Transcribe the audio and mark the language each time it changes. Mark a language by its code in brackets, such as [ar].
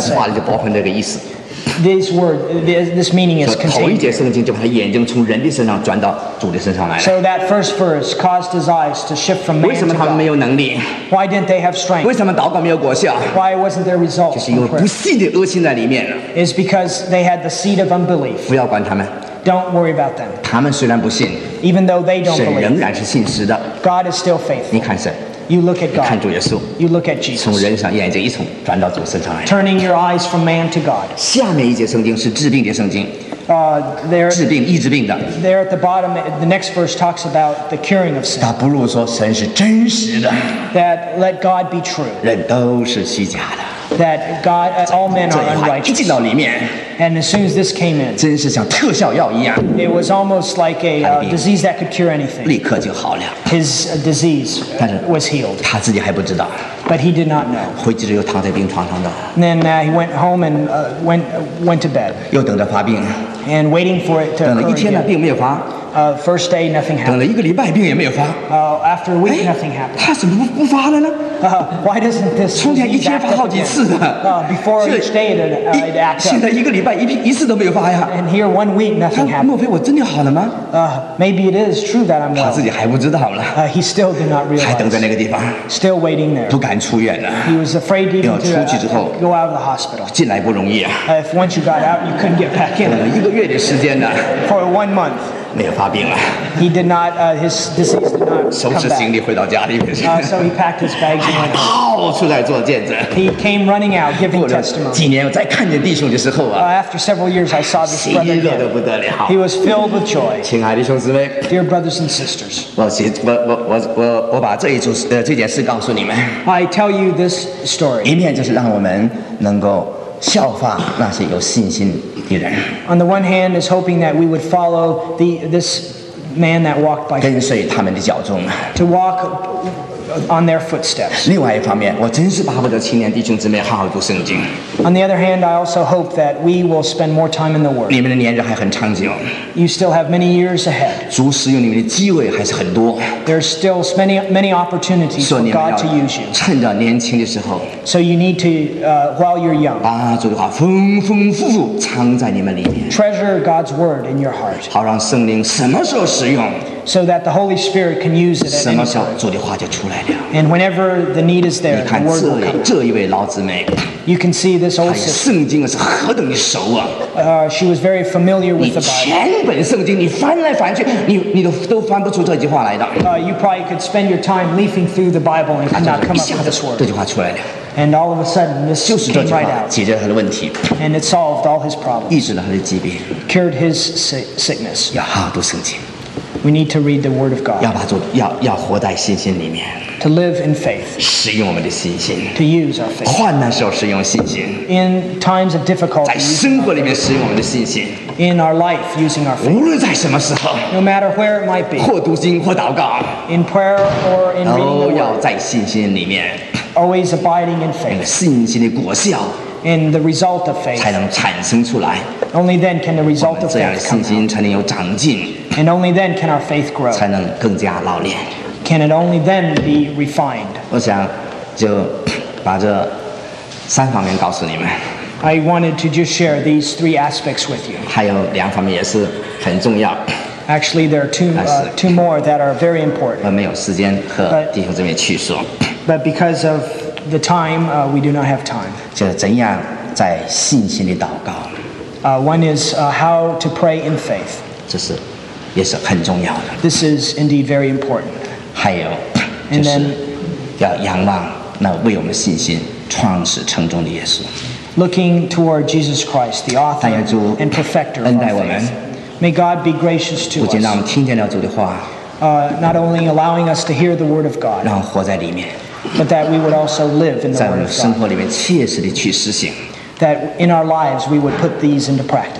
[zh] 但是话里就包含这个意思。 [en] This word, this meaning is contained. [zh] 头一节圣经就把他眼睛从人的身上转到主的身上来了。 [en] So that first verse caused his eyes to shift from man to God. [zh] 为什么他们没有能力？ [en] Why didn't they have strength? [zh] 为什么祷告没有果效？ [en] Why wasn't there result? [zh] 就是因为不信的恶心在里面了。 [en] Is because they had the seed of unbelief. [zh] 不要管他们。 [en] Don't worry about them. [zh] 他们虽然不信， [en] even though they don't believe, [zh] 神仍然是信实的。 [en] God is still faithful. [zh] 你看神。 [en] You look at God. You look at Jesus. [zh] 从人上眼睛一从转到主身上来。 [en] Turning your eyes from man to God. [zh] 下面一节圣经是治病的圣经。治病医治病的。 [en] There at the bottom, the next verse talks about the curing of sin. [zh] 他不如说神是真实的。 [en] That let God be true. [zh] 人都是虚假的。 [en] That God, all men are unrighteous. [zh] 一进到里面。 [en] And as soon as this came in, [zh] 真是像特效药一样。 [en] It was almost like a disease that could cure anything. [zh] 立刻就好了。 [en] His disease was healed. [zh] 他自己还不知道。 [en] But he did not know. [zh] 回去就躺在病床上的。 [en] Then he went home and went to bed. [zh] 又等着发病。 [en] And waiting for it to occur. [zh] 等了一天了，病没有发。 [en] First day, nothing happened. [zh] 等了一个礼拜，病也没有发。 [en] After a week, nothing happened. [zh] 他怎么不发了呢？ [en] Why doesn't this? [zh] 从前一天发好几次的。 [en] Before each day, it acted. [zh] 现在一个礼拜一次都没有发呀。 [en] And here, one week, nothing happened. [zh] 莫非我真的好了吗？ [en] Maybe it is true that I'm well. [zh] 他自己还不知道呢。 [en] He still did not realize. [zh] 还等在那个地方。 [en] Still waiting there. [zh] 不敢出院了。 [en] He was afraid even to [zh] 出去之后 [en] go out of the hospital. [zh] 进来不容易啊。 [en] If once you got out, you couldn't get back in. [zh] 等了一个月的时间呢。 [en] For 1 month. [zh] 没有发病了。 [en] He did not, his disease did not come back. [zh] 收拾行李回到家里面去。 [en] So he packed his bags and went. [zh] 到处来做见证。 [en] He came running out, giving testimony. [zh] 几年我再看见弟兄的时候啊。 [en] After several years, I saw this brother. [zh] 喜乐得不得了。 [en] He was filled with joy. [zh] 亲爱的兄姊妹。 [en] Dear brothers and sisters. [zh] 我把这件事告诉你们。 [en] I tell you this story. [zh] 一面就是让我们能够效法那些有信心的人。 [en] On the one hand, is hoping that we would follow this man that walked by. [zh] 跟随他们的脚踪。 [en] To walk on their footsteps. [zh] 另外一方面，我真是巴不得青年弟兄姊妹好好读圣经。 [en] On the other hand, I also hope that we will spend more time in the Word. [zh] 你们的年日还很长久。 [en] You still have many years ahead. [zh] 主使用你们的机会还是很多。 [en] There's still many many opportunities for God to use you. [zh] 趁着年轻的时候。 [en] So you need to, while you're young. [zh] 把主的话丰丰富富藏在你们里面。 [en] Treasure God's Word in your heart. [zh] 好让圣灵什么时候使用。 [en] So that the Holy Spirit can use it at any time. [zh] 主的话就出来了。 [en] And whenever the need is there, the word will come. [zh] 这一位老姊妹。 [en] You can see this old sister. [zh] 圣经是何等的熟啊。 [en] She was very familiar with the Bible. [zh] 你全本圣经你翻来翻去，你都翻不出这句话来的。 [en] You probably could spend your time leafing through the Bible and could not come up with this word. [zh] 这句话出来了。 [en] And all of a sudden, this came right out. [zh] 解决他的问题。 [en] And it solved all his problems. [zh] 医治了他的疾病。 [en] Cured his sickness. [zh] 要好好读圣经。 [en] We need to read the Word of God. [zh] 要活在信心里面。 [en] To live in faith. [zh] 使用我们的信心。 [en] To use our faith. [zh] 患难时候使用信心。 [en] In times of difficulty. [zh] 在生活里面使用我们的信心。 [en] In our life, using our faith. [zh] 无论在什么时候。 [en] No matter where it might be. [zh] 或读经或祷告。 [en] In prayer or in reading the Word. [zh] 都要在信心里面。 [en] Always abiding in faith. [zh] 信心的果效。 [en] And the result of faith. [zh] 才能产生出来。 [en] Only then can the result of faith come out. [zh] 我们这样的信心才能有长进。 [en] And only then can our faith grow. [zh] 才能更加老练。 [en] Can it only then be refined? [zh] 我想就把这三方面告诉你们。 [en] I wanted to just share these three aspects with you. [zh] 还有两方面也是很重要。 [en] Actually, there are two more that are very important. [zh] 没有时间和弟兄姊妹去说。 [en] But because of the time, we do not have time. [zh] 就怎样在信心里祷告。 [en] One is how to pray in faith. [zh] 这是也是很重要的。 [en] This is indeed very important. [zh] 还有，就是要仰望那为我们信心创始成终的耶稣。 [en] Looking toward Jesus Christ, the author and perfecter of our faith. May God be gracious to us. [zh] 不仅让我们听见了主的话。 [en] Not only allowing us to hear the word of God. [zh] 让活在里面。 [en] But that we would also live in the word of God. [zh] 在我们生活里面切实地去实行。 [en] That in our lives we would put these into practice.